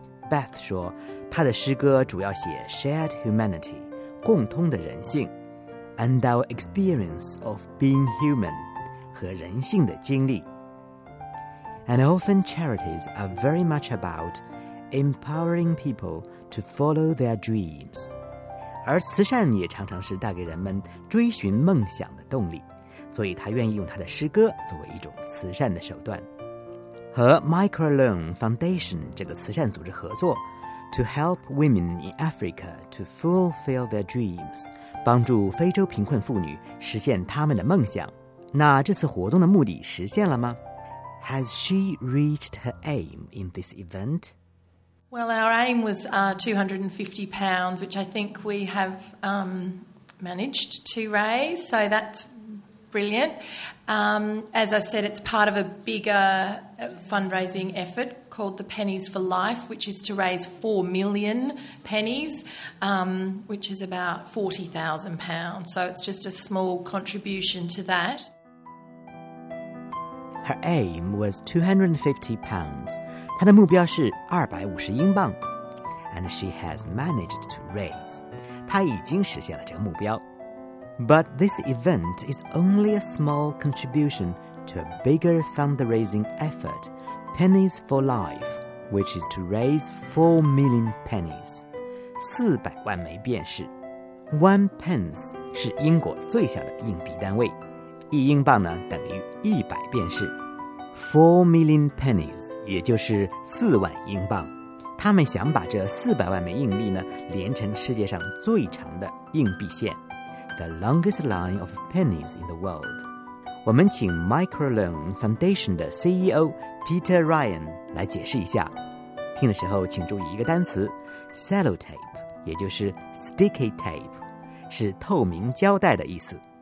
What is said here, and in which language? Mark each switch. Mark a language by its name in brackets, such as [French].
[Chinese] Beth 说，她的诗歌主要写 [English] shared humanity, [Chinese] 共通的人性。 [English] And our experience of being human, [Chinese] 和人性的经历。 [English] And often charities are very much about empowering people to follow their dreams. [Chinese] 而慈善也常常是带给人们追寻梦想的动力，所以他愿意用他的诗歌作为一种慈善的手段。和 Microloan Foundation 这个慈善组织合作， [English] To help women in Africa to fulfill their dreams, [Chinese] 帮助非洲贫困妇女实现她们的梦想。那这次活动的目的实现了吗？ [English] Has she reached her aim in this event? Well, our aim was £250, which I think we have managed to raise, so that's brilliant. As I said, it's part of a bigger fundraising effort. Called the Pennies for Life, which is to raise 4 million pennies, which is about £40,000. So it's just a small contribution to that. Her aim was £250. [Chinese] 她的目标是250英镑。 [English] And she has managed to raise. [Chinese] 她已经实现了这个目标。 [English] But this event is only a small contribution to a bigger fundraising effort. Pennies for Life, which is to raise 4 million pennies. [Chinese] 400万枚便士。 [English] One pence [Chinese] 是英国最小的硬币单位。一英镑呢等于100便士。 [English] 4 million pennies, [Chinese] 也就是4万英镑。他们想把这400万枚硬币呢连成世界上最长的硬币线。 [English] The longest line of pennies in the world. [Chinese] 我们请 Microloan Foundation 的 CEO Peter Ryan 来解释一下。听的时候请注意一个单词 Sellotape, 也就是 Sticky Tape, 是透明胶带的意思。